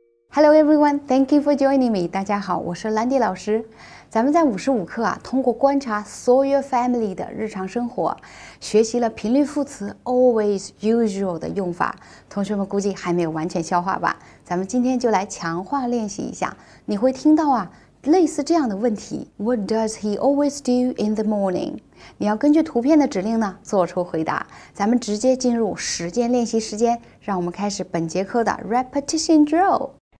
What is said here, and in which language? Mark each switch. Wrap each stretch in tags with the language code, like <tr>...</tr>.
<en>Hello everyone, thank you for joining me.</en> <zh>大家好，我是兰迪老师。咱们在五十五课啊，通过观察 Sawyer Family 的日常生活，学习了频率副词 always、usual 的用法。同学们估计还没有完全消化吧？咱们今天就来强化练习一下。你会听到啊，类似这样的问题 ：</zh> <en>What does he always do in the morning？</en> <zh>你要根据图片的指令呢，做出回答。咱们直接进入实践练习时间，让我们开始本节课的 repetition drill。</zh>